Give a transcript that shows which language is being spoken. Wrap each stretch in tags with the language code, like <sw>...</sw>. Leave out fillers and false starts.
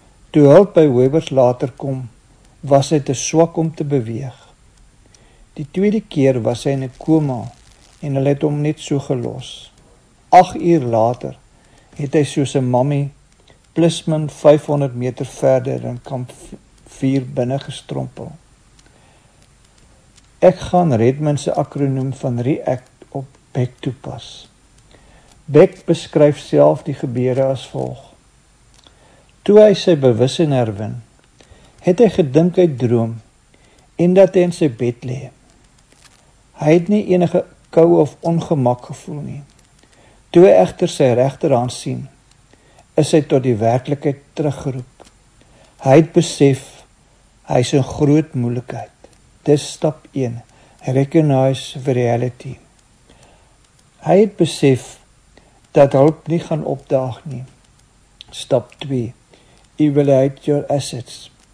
<af>Toe hulp by Weavers later kom, was hy te swak om te beweeg. Die tweede keer was hy in 'n koma en hulle het hom net so gelos. 8 uur later het hy soos 'n mammy plus min 500 meter verder in kamp 4 binne gestrompel. Ek gaan Redmond se akroniem van REACT op Beck toepas. Beck beskryf self die gebeure as volg. Toe hy sy bewussin herwin, het hy gedink hy droom en dat hy in sy bed lê. Hy het nie enige kou of ongemak gevoel nie. Toe hy egter sy regterhand sien, is hy tot die werklikheid teruggeroep. Hy het besef, hy is in groot moeilikheid. Dis stap 1,</af> <en>recognize reality.</en> <af>Hy het besef, dat hulp nie gaan opdaag nie.</af> <en>Stap 2, evaluate your assets.</en>